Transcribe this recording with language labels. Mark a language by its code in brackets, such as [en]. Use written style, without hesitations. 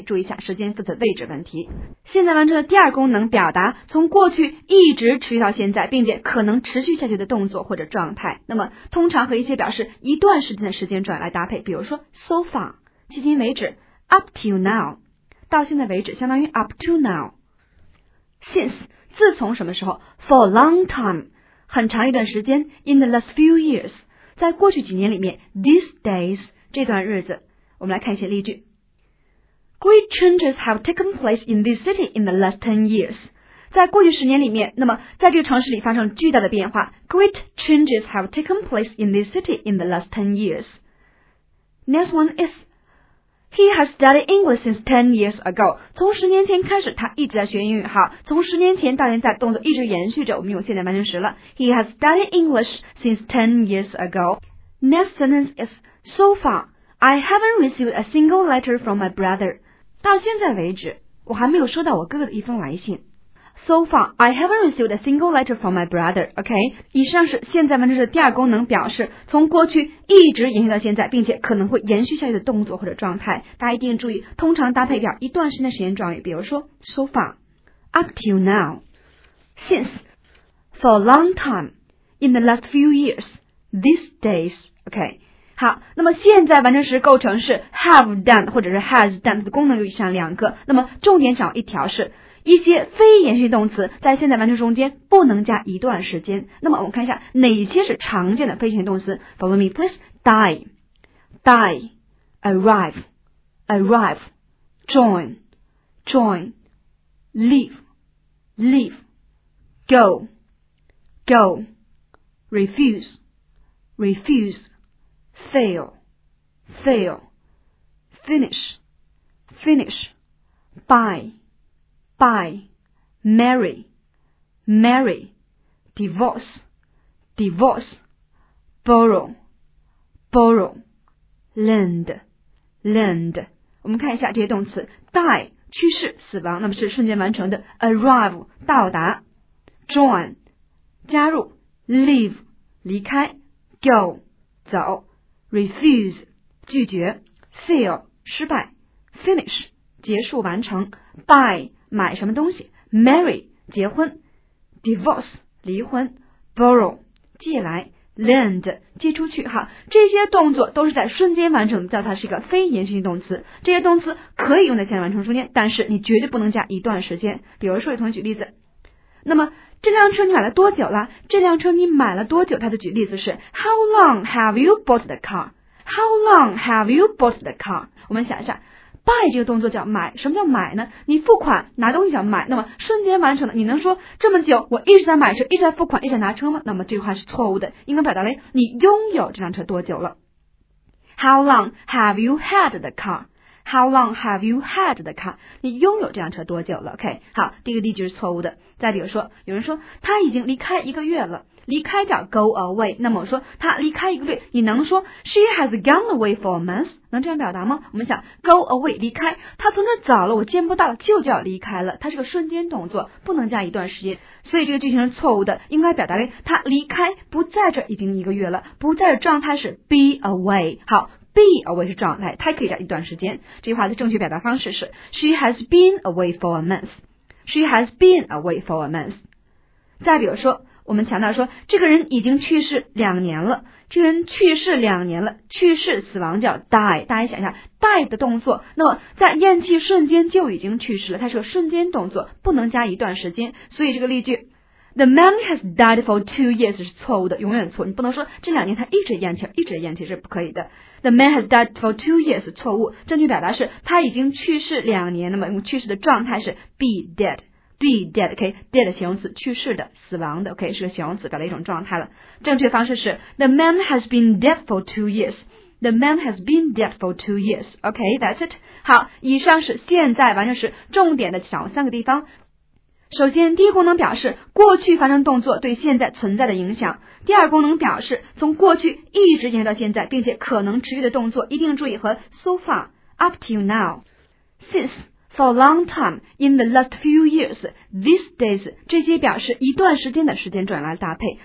[zh] 注意一下时间副词位置问题。现在完成的第二个功能，表达从过去一直持续到现在，并且可能持续下去的动作或者状态。那么通常和一些表示一段时间的时间转来搭配，比如说 [en] so far, [zh] 迄今为止 [en] up till now, [zh] 到现在为止相当于 [en] up to now. Since, [zh] 自从什么时候 ? [en] For a long time, [zh] 很长一段时间 , [en] in the last few years, [zh] 在过去几年里面 , [en] these days, [zh] 这段日子。我们来看一些例句。 [en] Great changes have taken place in this city in the last 10 years. [zh] 在过去十年里面，那么在这个城市里发生巨大的变化。 [en] Great changes have taken place in this city in the last 10 years. Next one is,He has studied English since 10 years ago. [zh] 从十年前开始他一直在学英语。好，从十年前到现在动作一直延续着，我们用现在完成时了。 [en] He has studied English since 10 years ago. Next sentence is, So far, I haven't received a single letter from my brother. [zh] 到现在为止，我还没有收到我哥哥的一封来信。 [en] So far, I haven't received a single letter from my brother, okay? [zh] 以上是现在完成时的第二功能，表示从过去一直延续到现在，并且可能会延续下去的动作或者状态。大家一定注意，通常搭配表一段时间的时间状语，比如说 [en] so far, up till now, since, for a long time, in the last few years, these days, okay? [zh] 好，那么现在完成时构成是 [en] have done [zh] 或者是 [en] has done [zh] 的功能有以上两个。那么重点讲一条是，一些非延续动词在现在完成中间不能加一段时间。那么我们看一下哪些是常见的非延续动词。 [en] Follow me, please. Die, die, arrive, arrive, join, join, leave, leave, go, go, refuse, refuse. Fail, fail, finish, finish, buy, buy, marry, marry, divorce, divorce, borrow, borrow, lend, lend. [zh] 我们看一下这些动词 die, 去世、死亡，那么是瞬间完成的 arrive, 到达 join, 加入 leave, 离开 go, 走Refuse, 拒绝 Fail, 失败 Finish, 结束完成 Buy, 买什么东西 Marry, 结婚 Divorce, 离婚 Borrow, 借来 Lend, 借出去哈，这些动作都是在瞬间完成，叫它是一个非延续性动词。这些动词可以用在现在完成中间，但是你绝对不能加一段时间。比如说有同学举例子，那么这辆车你买了多久了？这辆车你买了多久？它的举例子是 [en] How long have you bought the car? How long have you bought the car? [zh] 我们想一下 buy 这个动作叫买，什么叫买呢？你付款拿东西叫买，那么瞬间完成了，你能说这么久我一直在买车，一直在付款，一直在拿车吗？那么这句话是错误的，应该表达为你拥有这辆车多久了。 [en] How long have you had the car? How long have you had the car? [zh] 你拥有这辆车多久了 ？OK， 好，这个例句是错误的。再比如说，有人说他已经离开一个月了，离开叫 go away。那么我说他离开一个月，你能说 [en] she has gone away for a month？ [zh] 能这样表达吗？我们想 go away 离开，他从这走了，我见不到，就叫离开了。它是个瞬间动作，不能加一段时间，所以这个句型是错误的，应该表达为他离开不在这已经一个月了，不在这状态是 be away。好。 Be away 是状态，它可以加一段时间。这句话的正确表达方式是 [en] She has been away for a month. She has been away for a month. [zh] 再比如说，我们强调说，这个人已经去世两年了。这个人去世两年了，去世死亡叫 die。大家想一下 ，die 的动作，那么在咽气瞬间就已经去世了，它是个瞬间动作，不能加一段时间。所以这个例句。 [en] The man has died for 2 years [zh] 是错误的，永远错。你不能说这两年他一直咽气，一直咽气是不可以的。 [en] The man has died for 2 years [zh] 错误。正确表达是他已经去世两年，那么用去世的状态是 be dead, be dead, OK, dead 形容词，去世的，死亡的， OK, 是个形容词，表达一种状态了。 [en] 正确方式是 The man has been dead for 2 years. The man has been dead for 2 years. OK, that's it. [zh] 好，以上是现在完成时重点的小三个地方。首先第一功能表示过去发生动作对现在存在的影响，第二功能表示从过去一直延续到现在并且可能持续的动作，一定注意和 [en] so far, up till now, since, for a long time, in the last few years, these days, [zh] 这些表示一段时间的时间转来搭配。